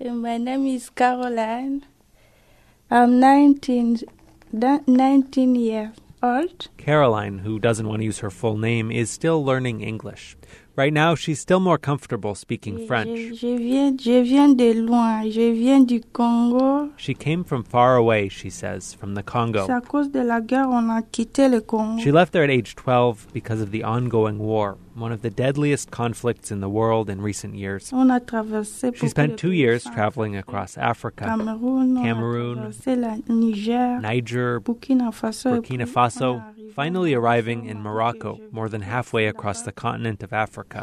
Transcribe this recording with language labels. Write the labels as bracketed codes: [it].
[en] My name is Caroline. I'm 19 years old. Caroline, who doesn't want to use her full name, is still learning English. Right now, she's still more comfortable speaking French. [fr] Je viens de loin. Je viens du Congo. [en] She came from far away, she says, from the Congo. [fr] C'est à cause de la guerre, on a quitté le Congo. [en] She left there at age 12 because of the ongoing war, one of the deadliest conflicts in the world in recent years. [fr] On a traversé [en] she spent 2 years traveling across Africa, Cameroon, Niger, Burkina Faso, finally arriving in Morocco, more than halfway across the continent of Africa.